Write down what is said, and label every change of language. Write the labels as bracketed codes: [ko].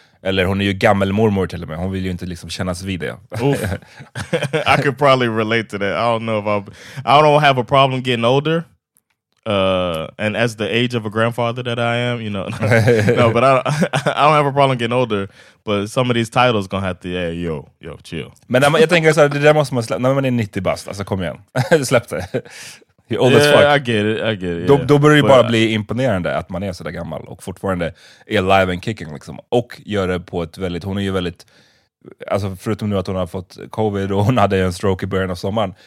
[sv] Eller hon är ju gammal mormor till och med. Hon vill ju inte liksom kännas vid det. [en] I could probably relate to that. I don't know if I don't have a problem getting older. And as the age of a grandfather that I am, you know. No, but I don't have a problem getting older. But some of these titles gonna have to, yeah, yo, chill. [sv] Men jag tänker så här, det där måste man släppa. När man är 90 bast, alltså kom igen. Släpp det. [en] Yeah, I get it. Yeah. [sv] Då börjar det bara bli imponerande att man är så där gammal och fortfarande är [en] alive and kicking [sv] liksom. Och gör det på ett väldigt, hon är ju väldigt, alltså förutom nu att hon har fått covid och hon hade en stroke i början av sommaren.